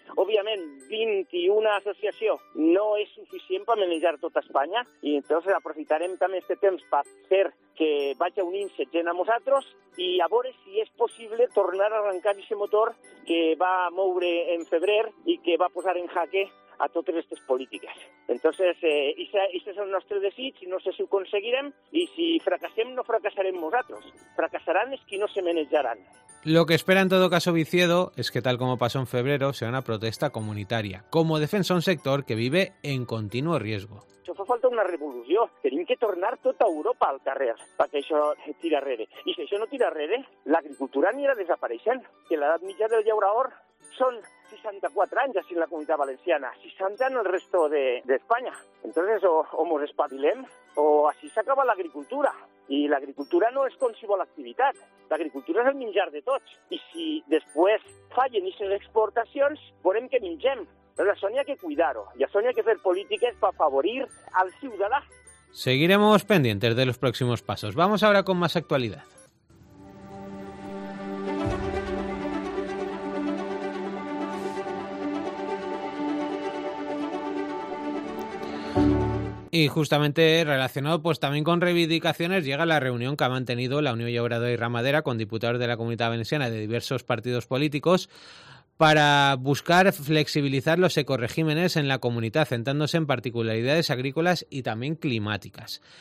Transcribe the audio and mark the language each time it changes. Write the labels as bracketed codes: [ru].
[ca] Òbviament, 21 associacions no és suficient per manejar tota Espanya i llavors aprofitarem també aquest temps per fer que vagi unint-se gent a nosaltres i a veure si és possible tornar a arrencar aquest motor que va moure en febrer i que va posar en jaque a totes aquestes polítiques. Entonces, ese es el nostre desig, no sé si ho aconseguirem, i si fracassem, no fracassarem nosaltres. Fracassaran els que no se manejaran. [es] Lo que espera en todo caso Viciedo es que, tal como pasó en febrero, sea una protesta comunitaria, como defensa un sector que vive en continuo riesgo. [ca] Això fa falta una revolució. Tenim que tornar tota Europa al carrer perquè això tira rere. I si això no tira rere, l'agricultura anirà desapareixent. Que l'edat mitjà del llaurador són 64 anys, així en la Comunitat Valenciana, 60 en el resto d'Espanya. Entonces, o mos espavilem, o així s'acaba l'agricultura. I l'agricultura no és qualsevol activitat. L'agricultura és el menjar de tots. I si després fallen aquestes exportacions, veurem que mengem. Però això n'hi ha que cuidar-ho. I això n'hi ha que fer polítiques per afavorir al ciutadà. [es] Seguiremos pendientes de los próximos pasos. Vamos ahora con más actualidad. Y justamente relacionado pues también con reivindicaciones llega la reunión que ha mantenido la Unión Llobregat y Ramadera con diputados de la Comunidad Valenciana de diversos partidos políticos para buscar flexibilizar los ecoregímenes en la comunidad, centrándose en particularidades agrícolas y también climáticas.